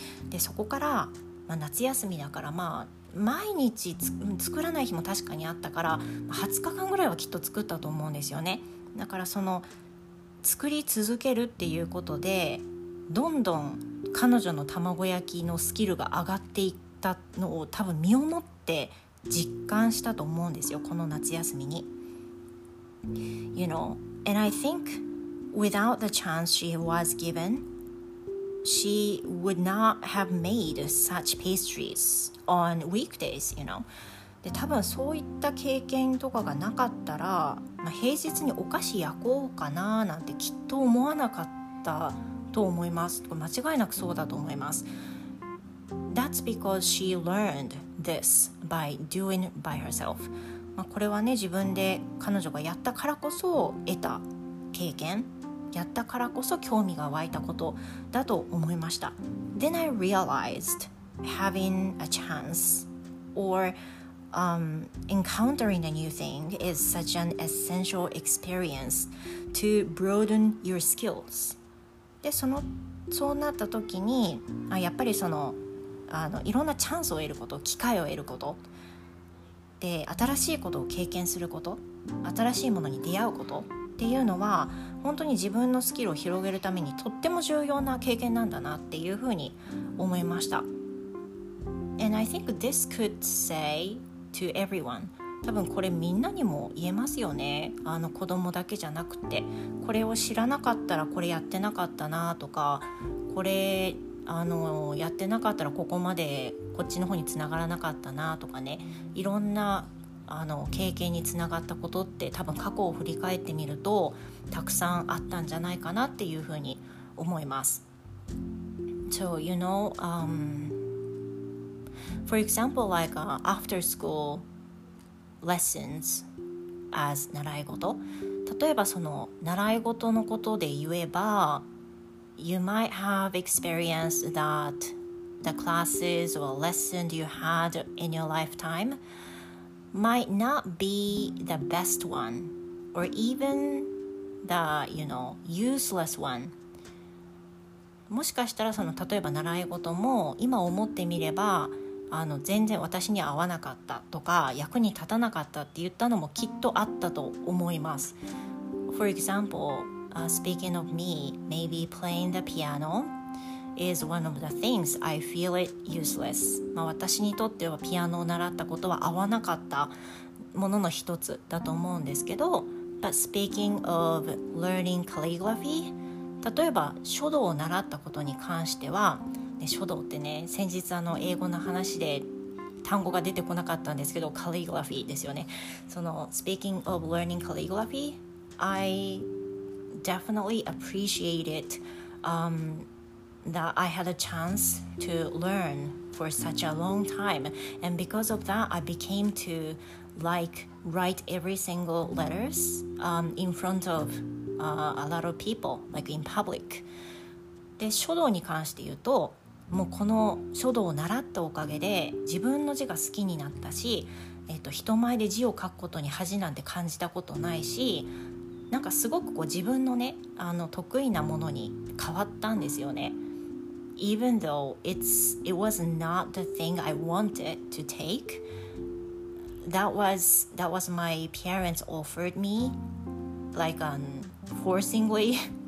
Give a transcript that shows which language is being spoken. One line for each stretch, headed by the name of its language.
Japanese: でそこから、まあ、夏休みだからまあ毎日作らない日も確かにあったから20日間ぐらいはきっと作ったと思うんですよね。だからその作り続けるっていうことでどんどん彼女の卵焼きのスキルが上がっていったのを多分身をもって実感したと思うんですよ、この夏休みに。
English: You know, and I think without the chance she was given, she would not have made such pastries on weekdays, you know.
Japanese: で多分そういった経験とかがなかったら、まあ、平日にお菓子焼こうかななんてきっと思わなかったと思います。間違いなくそうだと思います。
English: That's because she learned this by doing by herself.
Japanese: まあこれはね、自分で彼女がやったからこそ得た経験、やったからこそ興味が湧いたことだと思いました。
English: Then I realized having a chance or encountering a new thing is such an essential experience to broaden your skills.
Japanese: でそうなった時にやっぱりいろんなチャンスを得ること、機会を得ることで新しいことを経験すること、新しいものに出会うことっていうのは本当に自分のスキルを広げるためにとっても重要な経験なんだなっていうふうに思いました。
English: And I think this could say to everyone、
Japanese: 多分これみんなにも言えますよね。子供だけじゃなくて、これを知らなかったらこれやってなかったなとか、これやってなかったらここまでこっちの方につながらなかったなとかね、いろんな経験につながったことって多分過去を振り返ってみるとたくさんあったんじゃないかなっていうふうに思います。
English: So you know、for example like after school lessons as
Japanese: 習い事、例えばその習い事のことで言えば
English: You might have experienced that the classes or lessons you had in your lifetime might not be the best one or even the, you know, useless one.
Japanese: もしかしたらその例えば習い事も今思ってみれば全然私に合わなかったとか役に立たなかったって言ったのもきっとあったと思います。
English: For example, speaking of me, maybe playing the piano is one of the things I feel it useless.
Japanese: まあ私にとってはピアノを習ったことは合わなかったものの一つだと思うんですけど、
English: But speaking of learning calligraphy,
Japanese: 例えば書道を習ったことに関しては、ね、書道ってね、先日英語の話で単語が出てこなかったんですけど、calligraphy ですよね。
English: その speaking of learning calligraphy,I definitely appreciate it, that I had a chance to learn for such a long time. And because of that, I became to like write every single letters, in front of, a lot of people, like in public.
Japanese: で、書道に関して言うと、もうこの書道を習ったおかげで自分の字が好きになったし、人前で字を書くことに恥なんて感じたことないし、なんかすごくこう自分のね得意なものに変わったんですよね。
English: Even though it was not the thing I wanted to take, that was my parents offered me, like forcingly.